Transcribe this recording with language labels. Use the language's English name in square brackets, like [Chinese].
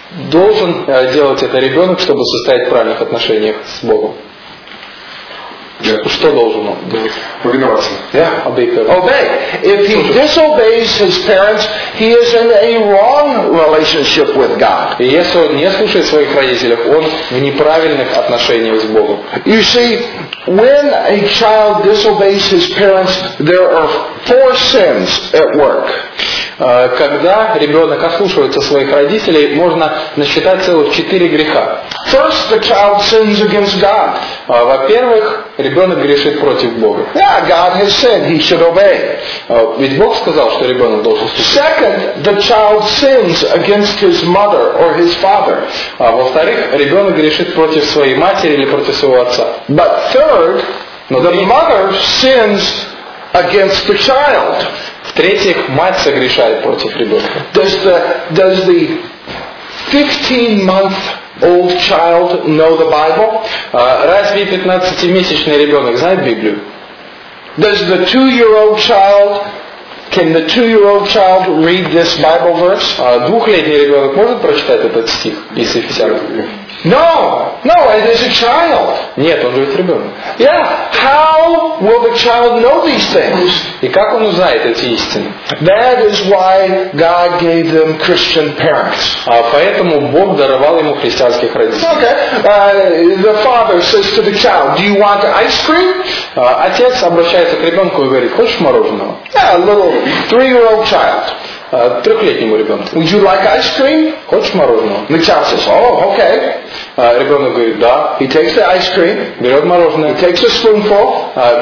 [Russian] Должен делать это ребенок, чтобы состоять в правильных отношениях с Богом. [English] Yeah. [Russian] Что должен он повиноваться? [English] Obey. If he disobeys his parents, he is in a wrong relationship with God. [Russian] Если он не слушает своих родителей, он в неправильных отношениях с Богом. [English] You see, when a child disobeys his parents, there are four sins at work. [Russian] Когда ребенок ослушивается своих родителей, можно насчитать целых четыре греха. [English] First, the child sins against God. [Russian] Во-первых, ребенок грешит против Бога. [English] Yeah, God has said he should obey. [Russian] Ведь Бог сказал, что ребенок должен слушаться. [English] Second, the child sins against his mother or his father. [Russian] Во-вторых, ребенок грешит против своей матери или против своего отца. [English] But third, the mother sins against the child. [Russian] В-третьих, мать согрешает против ребенка. [English] Does the 15-month old child know the Bible? [Russian] Разве 15-месячный ребенок знает Библию? [English] Does the 2-year-old child, can the 2-year-old child read this Bible verse? [Russian] Двухлетний ребенок может прочитать этот стих из Ефесянам? [English] No, it is a child. [Russian] Нет, он же ведь ребенок. [English] Yeah, how will the child know these things? [Russian] И как он узнает эти истины? [English] That is why God gave them Christian parents. [Russian] Поэтому Бог даровал ему христианских родителей. [English] Okay, the father says to the child, "Do you want ice cream?" [Russian] Отец обращается к ребенку и говорит, хочешь мороженого? [English] Yeah, a little 3-year-old child. [Russian] Трехлетнему ребенку. [English] Would you like ice cream? [Russian] Хочешь мороженого? [English] The child says, "Oh, okay." [Russian] Ребенок говорит, да. [English] He takes the ice cream. [Russian] Берет мороженое. [English] He takes a spoonful.